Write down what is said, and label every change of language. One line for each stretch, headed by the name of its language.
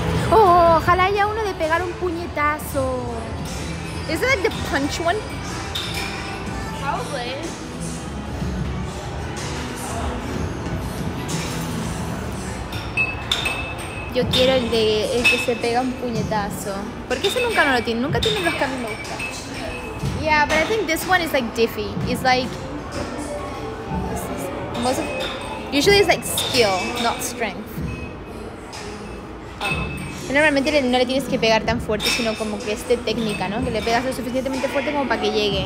Spanish: Ojalá haya uno de pegar un puñetazo. ¿Es like the punch one?
English: Probably.
Spanish: Yo quiero el de el que se pega un puñetazo. Porque ese nunca no lo tiene. Nunca tiene los caminos.
English: Yeah, but I think this one is like Diffy. It's like most of, usually it's like skill, not strength.
Spanish: Normalmente no le tienes que pegar tan fuerte, sino como que es de técnica, ¿no? Que le pegas lo suficientemente fuerte como para que llegue.